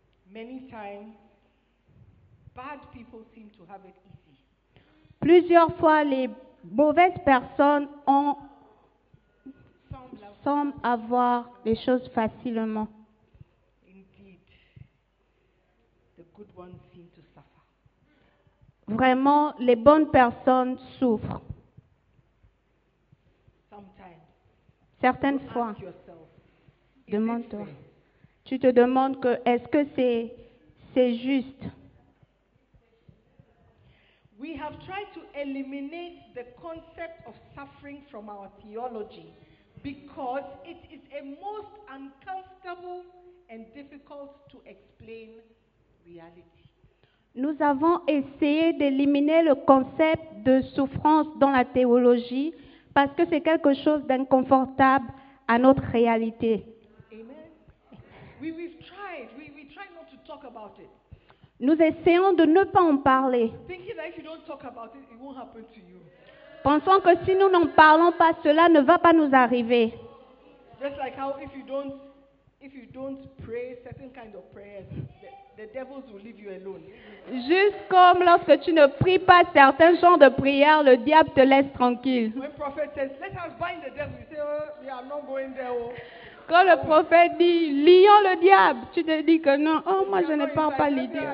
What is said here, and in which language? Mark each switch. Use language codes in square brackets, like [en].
[en] Many times, bad people seem to have it easy. [fr] Plusieurs fois, les mauvaises personnes ont semblent avoir les choses facilement. [en] Indeed, the good ones seem to suffer. [fr] Vraiment, les bonnes personnes souffrent. [en] Sometimes. [fr] Certaines [en] you [fr] fois, [en] yourself, [fr] demande-toi. Tu te demandes que est-ce que c'est juste? [en] We have tried to eliminate the concept of suffering from our theology because it is a most uncomfortable and difficult to explain reality. [fr] Nous avons essayé d'éliminer le concept de souffrance dans la théologie parce que c'est quelque chose d'inconfortable à notre réalité. [en] We try not to talk about it. [fr] Nous essayons de ne pas en parler. [en] Thinking that if you don't talk about it, it won't happen to you. [fr] Pensons que si nous n'en parlons pas, cela ne va pas nous arriver. [en] Just like how if you don't pray certain kind of prayers, the devils will leave you alone. [fr] Juste comme lorsque tu ne pries pas certains genres de prières, le diable te laisse tranquille. [en] When prophet says, "Let us bind the devil," you say, "Oh, yeah, I'm not going there." Oh. [fr] Quand le prophète dit « Lions le diable », tu te dis que non, oh moi je ne parle pas lier.